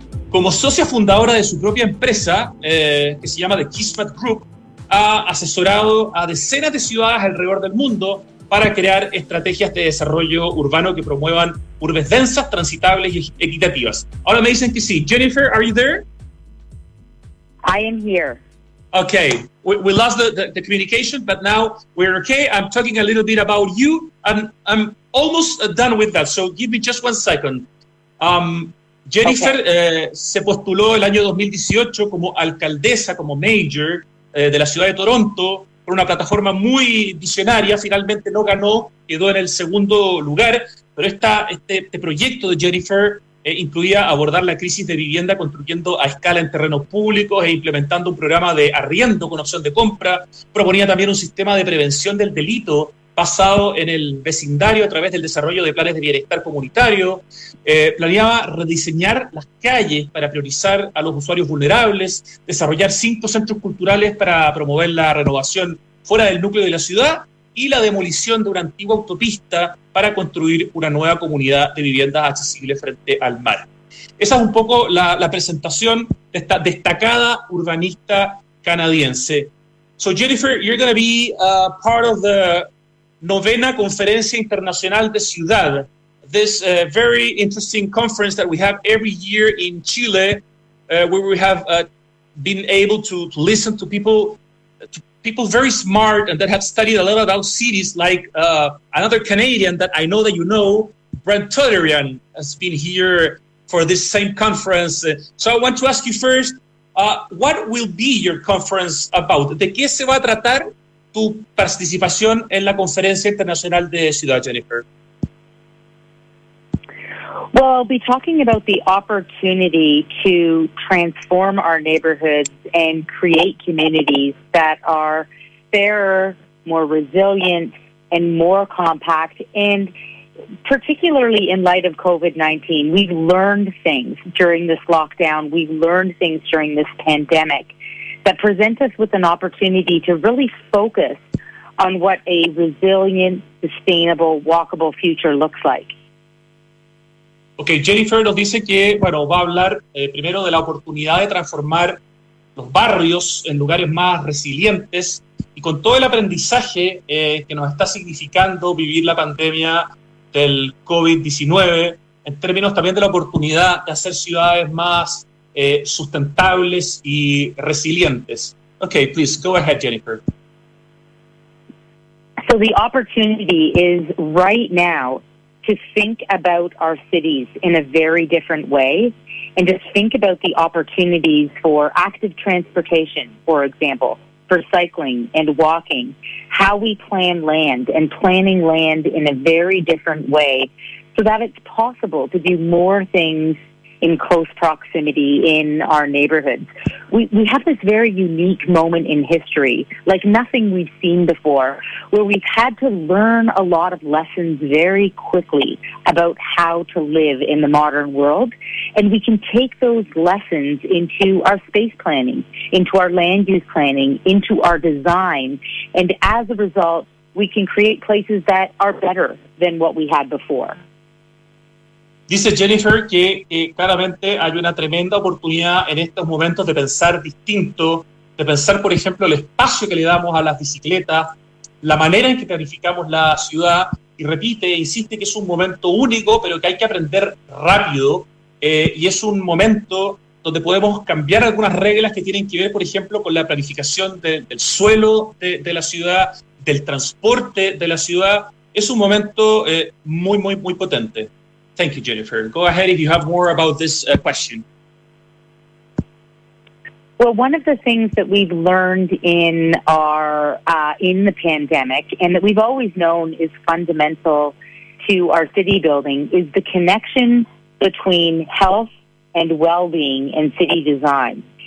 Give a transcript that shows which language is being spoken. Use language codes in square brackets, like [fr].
[es] Como socia fundadora de su propia empresa, que se llama The Kismat Group, ha asesorado a decenas de ciudades alrededor del mundo para crear estrategias de desarrollo urbano que promuevan urbes densas, transitables y equitativas. Ahora me dicen que sí. Jennifer, [en] are you there? I am here. Okay, we lost the communication, but now we're okay. I'm talking a little bit about you, and I'm almost done with that, so give me just one second. Jennifer, okay. [es] Se postuló el año 2018 como alcaldesa, como mayor de la ciudad de Toronto, por una plataforma muy visionaria. Finalmente no ganó, quedó en el segundo lugar, pero este proyecto de Jennifer incluía abordar la crisis de vivienda construyendo a escala en terrenos públicos e implementando un programa de arriendo con opción de compra. Proponía también un sistema de prevención del delito basado en el vecindario a través del desarrollo de planes de bienestar comunitario. Planeaba rediseñar las calles para priorizar a los usuarios vulnerables, desarrollar 5 centros culturales para promover la renovación fuera del núcleo de la ciudad y la demolición de una antigua autopista para construir una nueva comunidad de viviendas accesibles frente al mar. Esa es un poco la presentación de esta destacada urbanista canadiense. [en] So Jennifer, you're going to be part of the Novena Conferencia Internacional de Ciudad, this very interesting conference that we have every year in Chile, where we have been able to listen to people very smart and that have studied a lot about cities, like another Canadian that I know that you know, Brent Tullerian, has been here for this same conference. So I want to ask you first, what will be your conference about? [es] ¿De qué se va a tratar? tu participación en la Conferencia Internacional de Ciudad, Jennifer? [en] Well, I'll be talking about the opportunity to transform our neighborhoods and create communities that are fairer, more resilient, and more compact. And particularly in light of COVID-19, we've learned things during this lockdown. We've learned things during this pandemic that present us with an opportunity to really focus on what a resilient, sustainable, walkable future looks like. [es] Okay, Jennifer nos dice que, bueno, va a hablar primero de la oportunidad de transformar los barrios en lugares más resilientes y con todo el aprendizaje que nos está significando vivir la pandemia del COVID-19, en términos también de la oportunidad de hacer ciudades más sustentables y resilientes. [en] Okay, please, go ahead, Jennifer. So the opportunity is right now to think about our cities in a very different way and to think about the opportunities for active transportation, for example, for cycling and walking, how we plan land and planning land in a very different way so that it's possible to do more things in close proximity in our neighborhoods. We have this very unique moment in history, like nothing we've seen before, where we've had to learn a lot of lessons very quickly about how to live in the modern world. And we can take those lessons into our space planning, into our land use planning, into our design. And as a result, we can create places that are better than what we had before. [es] Dice Jennifer que claramente hay una tremenda oportunidad en estos momentos de pensar distinto, de pensar, por ejemplo, el espacio que le damos a las bicicletas, la manera en que planificamos la ciudad, y repite, insiste que es un momento único, pero que hay que aprender rápido, y es un momento donde podemos cambiar algunas reglas que tienen que ver, por ejemplo, con la planificación del suelo de la ciudad, del transporte de la ciudad. Es un momento muy, muy, muy potente. [en] Thank you, [es] Jennifer. [en] Go ahead if you have more about this question. Well, one of the things that we've learned in our in the pandemic and that we've always known is fundamental to our city building is the connection between health and well-being and city design.